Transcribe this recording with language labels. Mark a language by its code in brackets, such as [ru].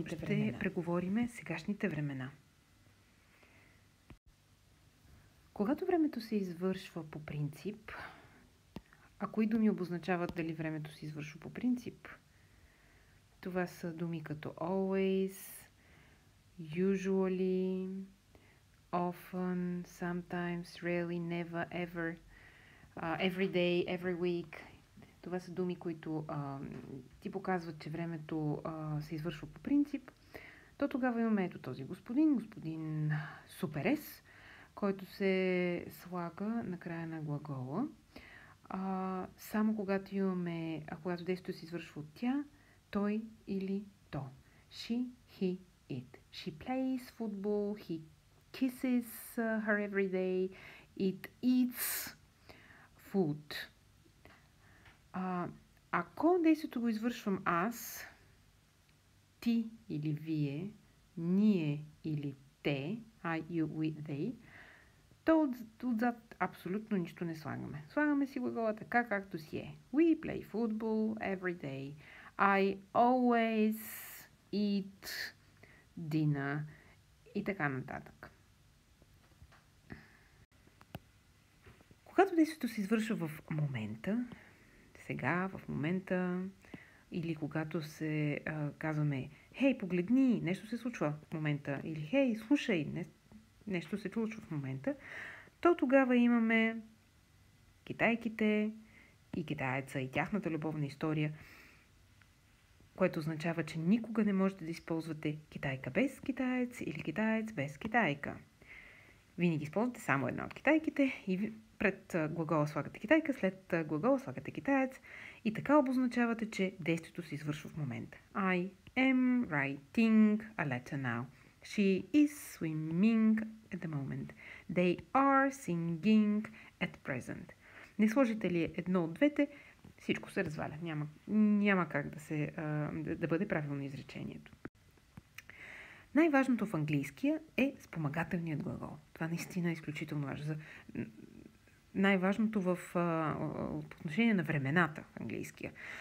[bg] Ще преговорим сегашните времена. Когато времето се извършва по принцип, а кои думи обозначават дали времето се извършва по принцип? Това са думи като [en] always, usually, often, sometimes, rarely, never, ever, every day, every week. [bg] Това са думи, които ти показват, че времето се извършва по принцип. То тогава имаме ето този господин Суперес, който се слага на края на глагола. Само когато имаме, когато действието се извършва от тя, той или то. [en] She, he, it. She plays football, he kisses her every day, it eats food. [bg] Ако действието го извършвам аз, ти или вие, ние или те, [en] I, you, we, they, [bg] то отзад абсолютно нищо не слагаме. Слагаме си глагола така, както си е. [en] We play football every day. I always eat dinner. [bg] И така нататък. Когато действието се извършва в момента, сега, в момента, или когато се казваме, хей, погледни, нещо се случва в момента, или хей, слушай, нещо се случва в момента, то тогава имаме китайките и китаеца и тяхната любовна история, което означава, че никога не можете да използвате китайка без китаец или китаец без китайка. Винаги използвате само една от китайките и пред глагола слагате китайка, след глагола слагате китаец и така обозначавате, че действието се извършва в момента. [en] I am writing a letter now. She is swimming at the moment. They are singing at present. [bg] Не сложите ли едно от двете, всичко се разваля. Няма как да бъде правилно изречението. Най-важното в английския е спомагателният глагол. Това наистина е изключително важно. Най-важното в отношение на времената в английския.